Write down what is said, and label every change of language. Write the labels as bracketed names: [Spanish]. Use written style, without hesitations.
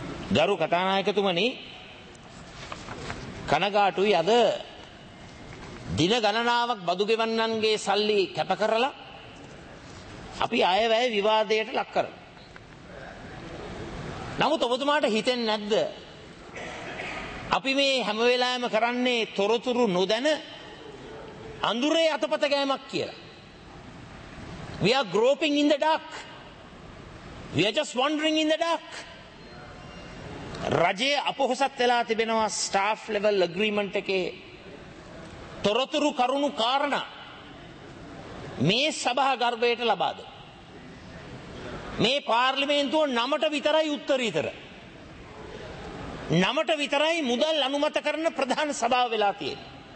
[Sinhala] ගරු කතානායකතුමනි, කනගාටුයි අද දින ගණනාවක් බදු ගෙවන්නන්ගේ සල්ලි කැප කරලා අපි අයවැය විවාදයට ලක් කරමු. නමුත් ඔබතුමාට හිතෙන්නේ නැද්ද අපි මේ හැම වෙලාවෙම කරන්නේ තොරතුරු නොදැන අඳුරේ අතපත ගෑමක් කියලා? [English] We are groping in the dark. We are just wandering in the dark. [Sinhala] රජයේ අපොහොසත් වෙලා තිබෙනවා ස්ටාෆ් ලෙවල් අග්‍රීමන්ට් එකේ තොරතුරු කරුණු කාරණා මේ සභා ගර්භයට ලබා දෙන්න. මේ පාර්ලිමේන්තුව 9ට විතරයි උත්තරීතර. 9ට විතරයි මුදල් අනුමත කරන ප්‍රධාන සභාව වෙලා තියෙන්නේ.